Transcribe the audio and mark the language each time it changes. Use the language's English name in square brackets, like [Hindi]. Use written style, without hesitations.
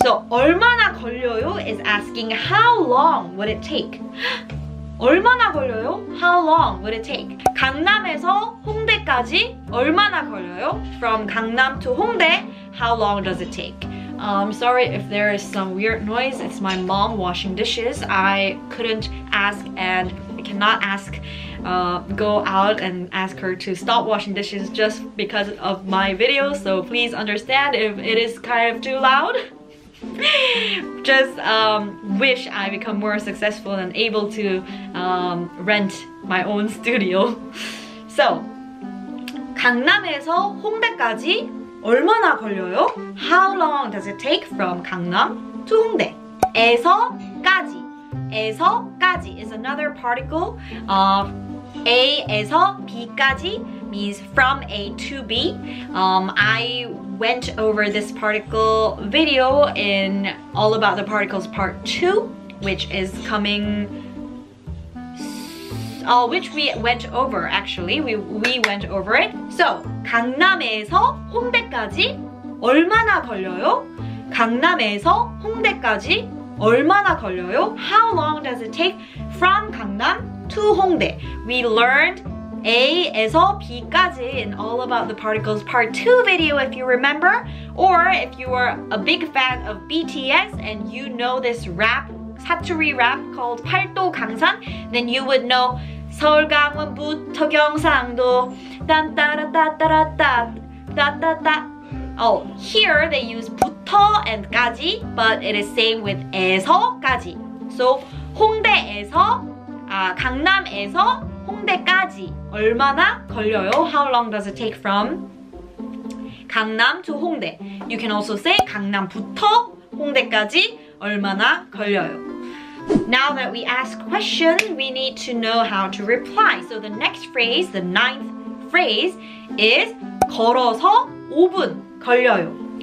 [English] So [Korean] 얼마나 걸려요 [English] is asking how long would it take? [Korean] 얼마나 걸려요? [English] How long would it take? [Korean] 강남에서 홍대까지 얼마나 걸려요? [English] From 강남 to 홍대, how long does it take? I'm sorry if there is some weird noise. It's my mom washing dishes. I couldn't ask and I cannot ask, go out and ask her to stop washing dishes just because of my video. So please understand if it is kind of too loud. Just wish I become more successful and able to rent my own studio. So, [Korean] 강남에서 홍대까지 얼마나 걸려요? [English] How long does it take from 강남 to 홍대? 에서까지. 에서까지 is another particle. A에서 B까지 means from A to B. I went over this particle video in All About the Particles Part 2, which is coming, which we went over actually. We went over it. [Korean] So, 강남에서 홍대까지 얼마나 걸려요? 강남에서 홍대까지 얼마나 걸려요? [English] How long does it take from 강남 to 홍대? We learned A에서 B까지 in All About the Particles Part 2 video, if you remember. Or if you are a big fan of BTS and you know this rap, Saturi rap called 팔도 강산, then you would know [Korean] 서울 강원부터 경상도 딴따라따따라따따따따. [English] Oh, here they use 부터 and 까지, but it is same with 에서까지. So [Korean] 홍대에서, 강남에서 홍대까지 얼마나 걸려요? [English] How long does it take from 강남 to 홍대? You can also say [Korean] 강남부터 홍대까지 얼마나 걸려요? [English] Now that we ask questions, we need to know how to reply. So the next phrase, the ninth phrase, is [Korean] 걸어서 5분 걸려요.